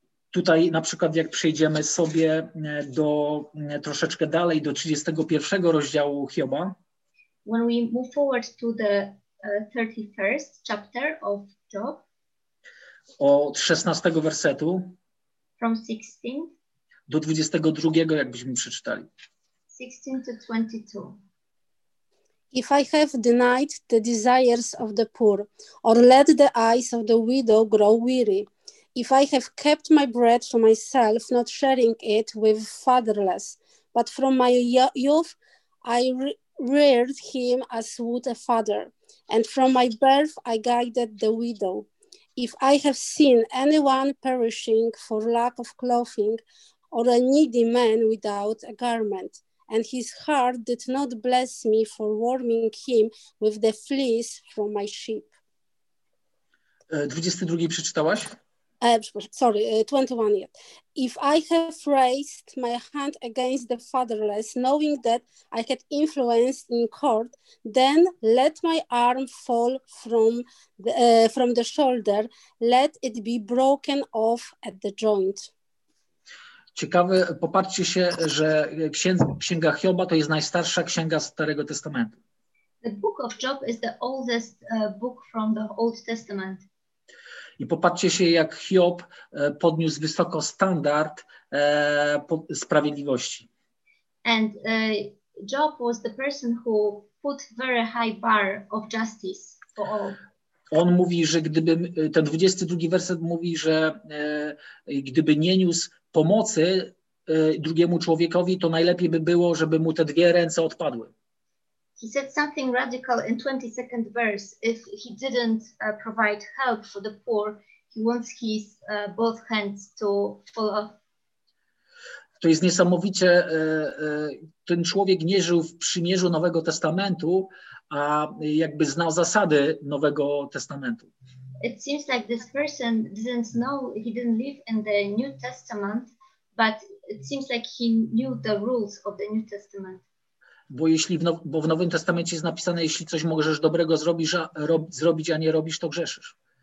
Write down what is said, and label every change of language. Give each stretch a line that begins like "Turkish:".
Polish: Tutaj na przykład jak przejdziemy sobie do troszeczkę dalej, do 31 rozdziału Hioba.
English: When we move forward to the 31st chapter of Job.
Polish: Od 16 wersetu.
English: From 16.
Polish: Do 22, jakbyśmy przeczytali.
English: 16 to 22. If I have denied the desires of the poor, or let the eyes of the widow grow weary, if I have kept my bread for myself, not sharing it with fatherless, but from my youth I reared him as would a father, and from my birth I guided the widow. If I have seen anyone perishing for lack of clothing, or a needy man without a garment, and his heart did not bless me for warming him with the fleece from my sheep.
Polish: 22 przeczytałaś?
English: Sorry, 21. Yet. If I have raised my hand against the fatherless, knowing that I had influence in court, then let my arm fall from the shoulder, let it be broken off at the joint.
Polish: Ciekawe, popatrzcie się, że księga Hioba to jest najstarsza księga Starego Testamentu.
English: The book of Job is the oldest book from the Old Testament.
Polish: I popatrzcie się, jak Hiob podniósł wysoko standard sprawiedliwości.
English: And Job was the person who put very high bar of justice for all.
Polish: On mówi, że gdyby, ten 22 werset mówi, że gdyby nie niósł pomocy drugiemu człowiekowi, to najlepiej by było, żeby mu te dwie ręce odpadły.
English: He said something radical in 22nd verse. If he didn't provide help for the poor, he wants his both hands to fall off.
Polish: To jest niesamowicie, ten człowiek nie żył w przymierzu Nowego Testamentu, a jakby znał zasady Nowego Testamentu.
English: It seems like this person didn't know, he didn't live in the New Testament, but it seems like he knew the rules of the New Testament.
Polish: Bo jeśli w Nowym Testamencie jest napisane, jeśli coś możesz dobrego zrobić, a nie robisz, to grzeszysz.